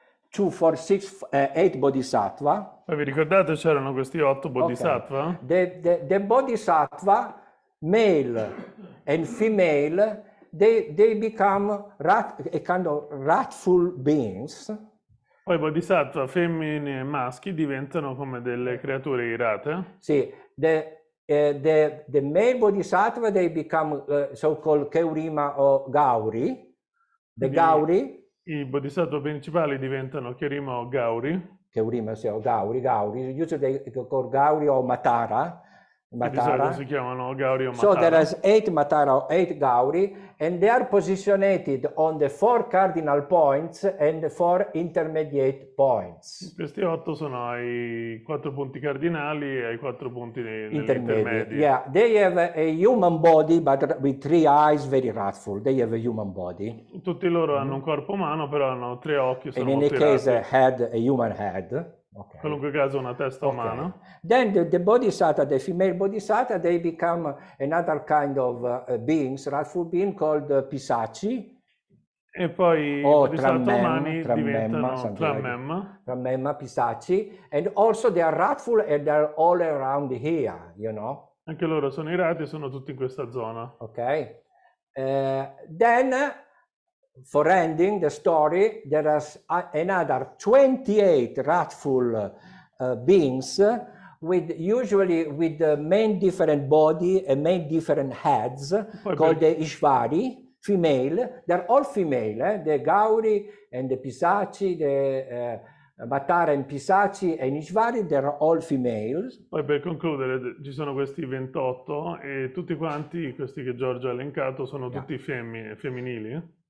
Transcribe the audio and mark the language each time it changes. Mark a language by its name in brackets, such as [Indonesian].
[English] 2, 4, 6, 8 bodhisattva. [Italian] Ma vi ricordate c'erano questi 8 bodhisattva? [English] Okay. The bodhisattva, male and female, they become a kind of wrathful beings. [Italian] Poi bodhisattva femmine e maschi diventano come delle creature irate. [English] Sì, the male bodhisattva they become so called Keurima o Gauri. The Gauri. [Italian] I bodhisattva principali diventano Keurima o Gauri. [English] Keurima, sì, o Gauri. Gauri. Usually they call Gauri o Matara. [Italian] Matara. Si chiamano Gauri o Matara. [English] So there are 8 Matara, 8 Gauri, and they are positionated on the 4 cardinal points and the 4 intermediate points. [Italian] Questi 8 sono ai 4 punti cardinali e ai 4 punti intermedi. [English] Yeah, they have a human body, but with 3 eyes, very wrathful. They have a human body. [Italian] Tutti loro hanno un corpo umano, però hanno 3 occhi, sono in molto irati. [English] In any case, a human head. [Italian] Okay. Qualunque caso una testa, okay, umana. [English] Then the bodhisattva, the female bodhisattva, they become another kind of beings, wrathful being called pisacci. [Italian] E poi o i bodhisattva umani diventano [English] trammemma, pisacci, and also they are wrathful and they are all around here, you know. [Italian] Anche loro sono irati e sono tutti in questa zona. Ok. [English] Then, for ending the story, there is another 28 wrathful beings with usually with the main different body and main different heads. Poi called the Ishvari, female. They're all female, the Gauri and the Pisacci, the Matara and Pisacci and Ishvari, they're all females. [Italian] Poi per concludere, ci sono questi 28 e tutti quanti, questi che Giorgio ha elencato, sono tutti femminili.